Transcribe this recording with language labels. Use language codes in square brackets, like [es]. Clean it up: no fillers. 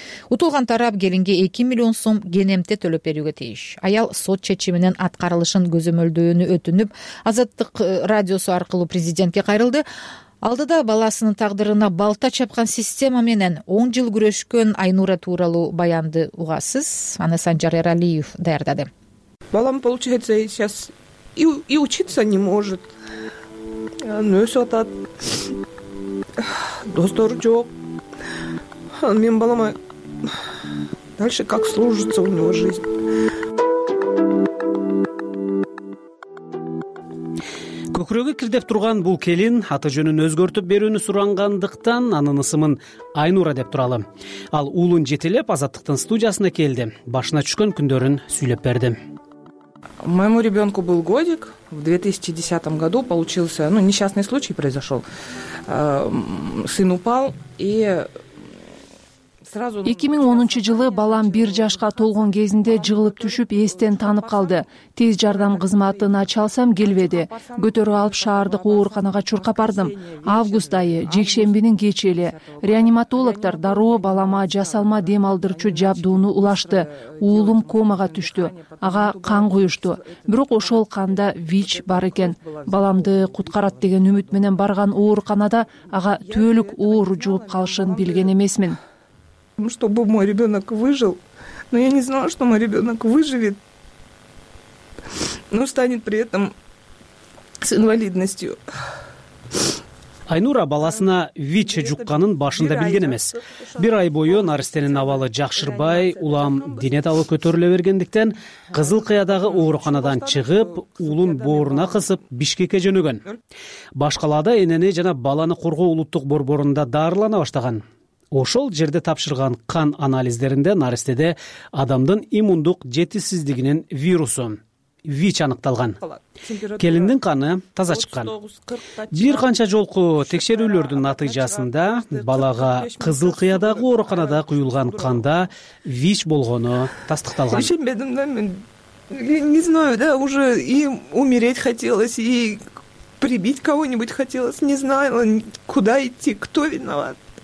[ky] Утулган тарап келинге 2,000,000 сом кенемте төлөп берүүгө тийиш. Аял сот чечиминин аткарылышын көзөмөлдөөнү өтүнүп, Азаттык радиосу аркылуу президентке кайрылды. Алдыда баласынын тагдырына балта чапкан система менен 10 жыл күрөшкөн Айнура тууралуу баянды угасыз. Аны Санжар Эралиев даярдады. Балам, [ru] получается, сейчас и учиться не может. Ну, и сот от... [ky] Достор жок. Мен балама... [ru] Дальше как сложится у него жизнь. [ky] Көкүрөгү кирдеп турган бул келин аты жөнүн өзгөртүп берүүнү сурангандыктан анын ысымын Айнура деп туралы. Ал уулун жетелеп Азаттыктын студиясына келди. Башына түшкөн күндөрүн сүйлөп берди. [ru] Моему ребенку был годик. В 2010 году получился, ну, несчастный случай произошел. Сын упал и... [ky] 2010 жылы балам 1 жашка толгон кезинде жыгылып түшүп эстен танып калды. Тез жардам кызматына чалсам келбеди. Көтөрүп алып шаардык ооруканага чуркап бардым. Август айы, жекшембинин кечи эле реаниматологдор дароо балама жасалма дем алдырчу жабдууну улашты. Уулум комага түштү. Ага кан куюшту. Бирок ошол канда ВИЧ бар экен. Баламды куткарат деген үмүт менен барган ооруканада ага түбөлүк оору жугуп калышын билген эмесмин. [ru] Чтобы мой ребенок выжил, но я не знала, что мой ребенок выживет, но станет при этом с инвалидностью. [ky] Айнура баласына ВИЧ жукканын башында билген эмес. Бир ай бою наристенин абалы жакшырбай, улам дене талы көтөрүлө бергендиктен Кызыл Кыядагы ооруканадан чыгып, уулун бооруна кысып Бишкекке жөнөгөн. Баш калада энени жана баланы коргоо улуттук борборунда дарылана баштаган. Ошол жерде тапшырган кан анализдеринде наристеде адамдын иммундук жетишсиздигинин вирусу ВИЧ аныкталган. Келиндин каны таза чыккан. Бир канча жолку текшерүүлөрдүн натыйжасында балага Кызыл Кыядагы ооруканада куюлган канда ВИЧ болгону тастыкталган. Ишенбедим да мен. [ru] Не знаю, да, уже и умереть хотелось, и прибить кого-нибудь хотелось, не знала, куда идти, кто виноват.